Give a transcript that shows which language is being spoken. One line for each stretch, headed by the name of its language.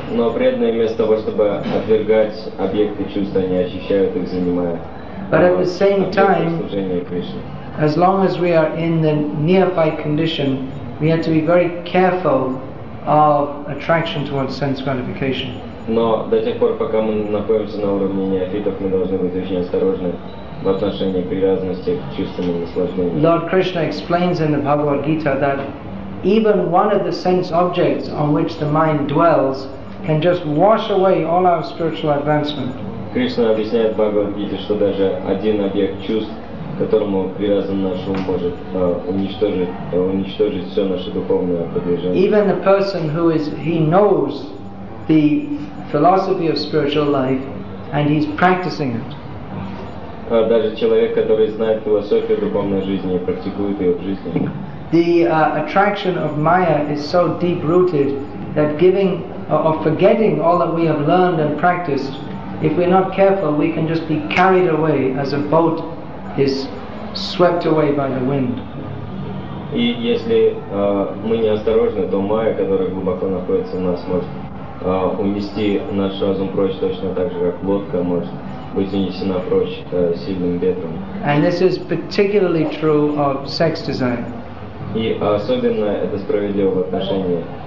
Russian: Но преданные вместо того, чтобы отвергать объекты чувства, они очищают их, занимая объекты служения.
English: But at the same time, as long as we are in the neophyte condition, we have to be very careful of attraction towards sense gratification.
Russian: Но до тех пор, пока мы находимся на уровне неофитов, мы должны быть очень осторожны в отношении привязанности к чувственным наслаждениям.
English: Lord Krishna explains in the Bhagavad Gita that even one of the sense objects on which the mind dwells can just wash away all our spiritual advancement.
Russian: Krishna объясняет в Bhagavad Gita, что даже один объект чувств, к которому привязан наш ум, может уничтожить все наше духовное продвижение.
English: Even the person who is, he knows the philosophy of spiritual life and he's practicing it.
Russian: Даже человек, который знает философию духовной жизни и практикует ее в жизни.
English: The attraction of Maya is so deep rooted that giving or forgetting all that we have learned and practiced, if we're not careful, we can just be carried away as a boat is swept away by the wind.
Russian: И если мы неосторожны, то Maya, которая глубоко находится в нас, может унести наш разум прочь точно так же, как лодка может быть унесена прочь сильным ветром.
English: And this is particularly true of sex desire.
Russian: И особенно это справедливо в отношении